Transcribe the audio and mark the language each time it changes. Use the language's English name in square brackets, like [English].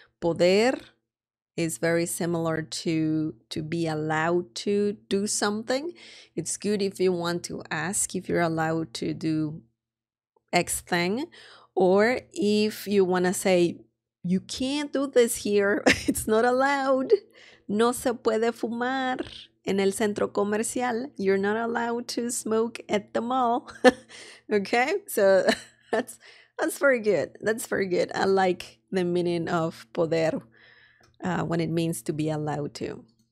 [English] Poder is very similar to be allowed to do something. It's good if you want to ask if you're allowed to do X thing, or if you want to say, you can't do this here, it's not allowed. [Spanish] No se puede fumar en el centro comercial. [English] You're not allowed to smoke at the mall. Okay, so that's very good. That's very good. I like the meaning of poder when it means to be allowed to.